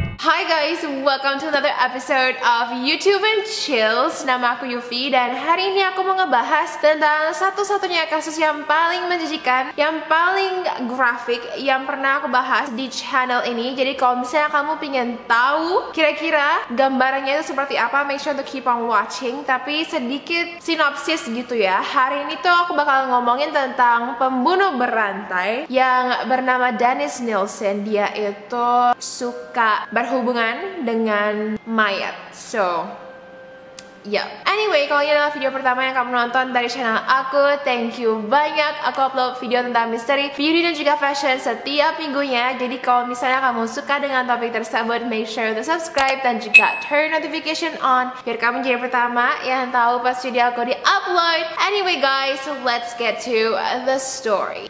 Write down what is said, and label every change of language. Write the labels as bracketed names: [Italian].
[English] Welcome to another episode of YouTube and Chills. [Indonesian] Nama aku Yufi dan hari ini aku mau ngebahas tentang satu-satunya kasus yang paling menjijikan, yang paling graphic yang pernah aku bahas di channel ini. Jadi kalau misalnya kamu pengen tahu kira-kira gambarannya itu seperti apa, [English] make sure to keep on watching. [Indonesian] Tapi sedikit sinopsis gitu ya. Hari ini tuh aku bakal ngomongin tentang pembunuh berantai yang bernama Dennis Nielsen. Dia itu suka berhubungan dengan mayat. [English] So, yeah. [Indonesian] Anyway, kalau ini adalah video pertama yang kamu nonton dari channel aku, [English] thank you [Indonesian] banyak. Aku upload video tentang misteri, beauty dan juga fashion setiap minggunya. Jadi kalau misalnya kamu suka dengan topik tersebut, [English] make sure to subscribe [Indonesian] dan juga [English] turn notification on [Indonesian] biar kamu jadi pertama yang tahu pas video aku di-upload. [English] Anyway guys, let's get to the story.